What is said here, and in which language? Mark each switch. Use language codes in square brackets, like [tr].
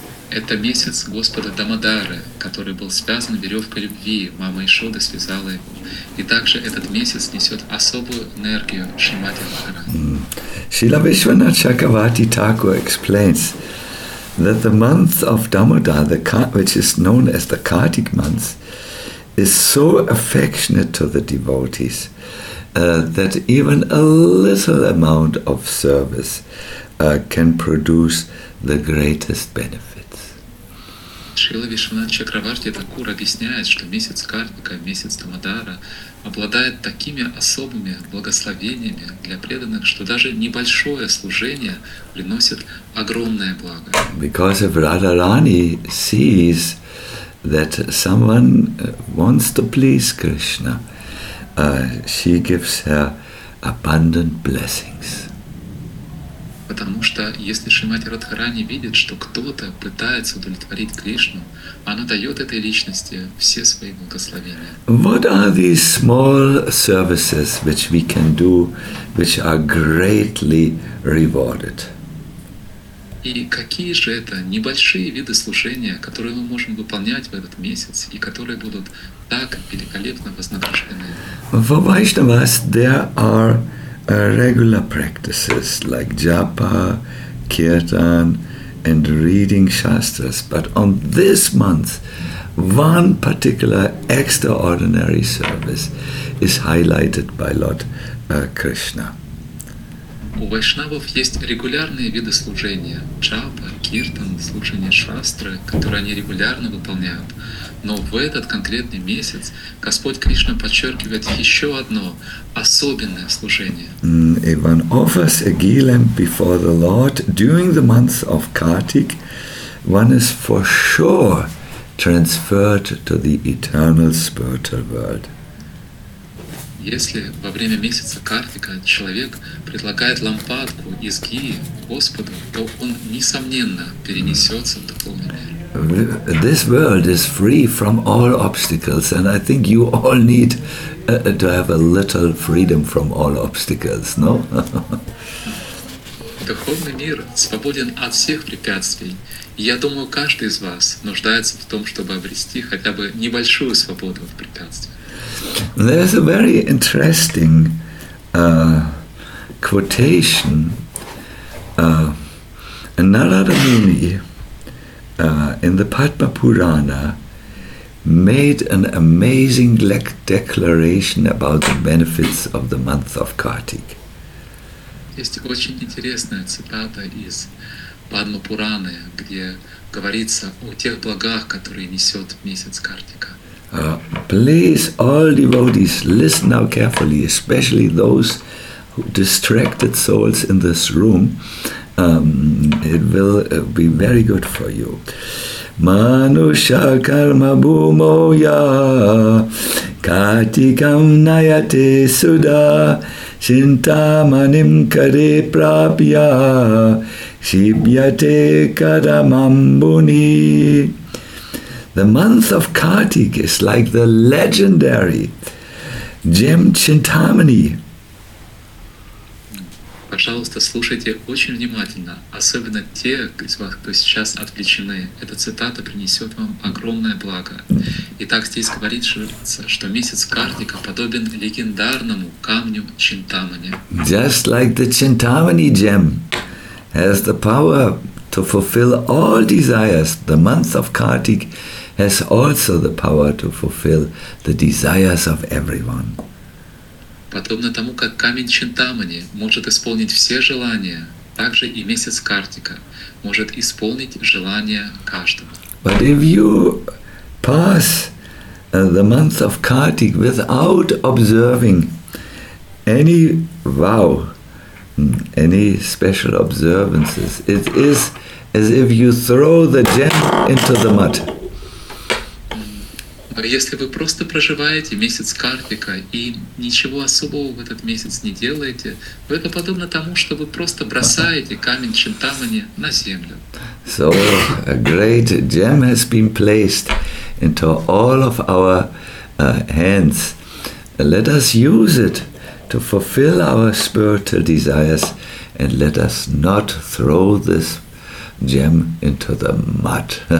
[ru] Это месяц Господа Дамодары, который был связан веревкой любви, мама Ишода связала его. И также этот месяц несет особую энергию Шримати Радхарани. [en] Шрила Вишванат Чакравати Тхакур explains that the month of Damodar, which is known as the Kartik month, is so affectionate to the devotees that even a little amount of service can produce the greatest benefits. [ru] Шрила Вишванат Чакравати Тхакур объясняет, что месяц Картика, месяц Дамодара, обладает такими особыми благословениями для преданных, что даже небольшое служение приносит огромное благо. [en] Because if Radharani sees that someone wants to please Krishna, she gives her abundant blessings. [ru] Потому что если Шримати Радхарани видит, что кто-то пытается удовлетворить Кришну, она дает этой личности все свои благословения. [en] What are these small services which we can do, which are greatly rewarded? [ru] И какие же это небольшие виды служения, которые мы можем выполнять в этот месяц и которые будут так великолепно вознаграждены? [en] For Vaishnavas, there are regular practices like japa, kirtan, and reading shastras. But on this month, one particular extraordinary service is highlighted by Lord Krishna. [ru] У вайшнавов есть регулярные виды служения – джапа, киртан, служение шастры, которые они регулярно выполняют. Но в этот конкретный месяц Господь Кришна подчеркивает еще одно особенное служение. [en] If one offers a ghee-lamp before the Lord during the month of Kartik, one is for sure transferred to the eternal spiritual world. [ru] Если во время месяца Картика человек предлагает лампадку из гии Господу, то он несомненно перенесется в духовный мир. [en] This world is free from all obstacles, and I think you all need to have a little freedom from all obstacles, no? [ru] Духовный мир свободен от всех препятствий. И я думаю, каждый из вас нуждается в том, чтобы обрести хотя бы небольшую свободу от препятствий. [en] There's a very interesting quotation, Narada Muni, in the Padma Purana, made an amazing declaration about the benefits of the month of Kartik. [ru] Есть очень интересная цитата из Падма Пураны, где говорится о тех благах, которые несет месяц Картика. [en] Please, all devotees, listen now carefully, especially those distracted souls in this room. It will be very good for you. [sa] Manusha karma bhumoya katikam nayate sudha shintamanim kare prapya shibhyate karamambuni. [en] The month of Kartik is like the legendary gem Chintamani. [ru] Пожалуйста, слушайте очень внимательно, особенно те из вас, кто сейчас отвлечены. Эта цитата принесет вам огромное благо. Итак, здесь говорится, что месяц Картика подобен легендарному камню Чинтамани. [en] Just like the Chintamani gem has the power to fulfill all desires, the month of Kartik has also the power to fulfill the desires of everyone. [ru] Подобно тому, как камень Чинтамани может исполнить все желания, так же и месяц Картика может исполнить желания каждого. [en] But if you pass the month of Kartik without observing any vow, any special observances, it is as if you throw the gem into the mud. [ru] Если вы просто проживаете месяц Картика и ничего особого в этот месяц не делаете, то это подобно тому, что вы просто бросаете камень Чинтамани на землю. [en] So a great gem has been placed into all of our hands. Let us use it to fulfill our spiritual desires, and let us not throw this gem into the mud.